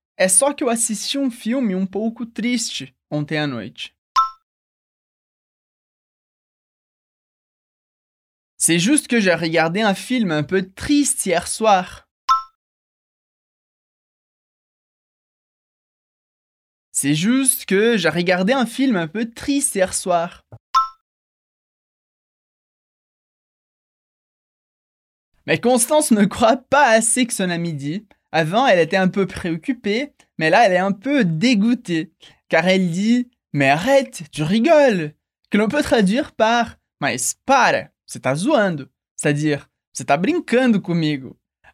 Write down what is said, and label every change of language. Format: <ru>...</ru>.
<pt>É só que eu assisti um filme um pouco triste ontem à noite.</pt> <fr>C'est juste que j'ai regardé un film un peu triste hier soir. C'est juste que j'ai regardé un film un peu triste hier soir. Mais Constance ne croit pas assez que son ami dit. Avant, elle était un peu préoccupée, mais là, elle est un peu dégoûtée. Car elle dit « Mais arrête, tu rigoles !» Que l'on peut traduire par «</fr> <pt>Mas para, você tá zoando !»</pt> <fr>C'est-à-dire</fr> <pt>« Você tá brincando comigo !»</pt>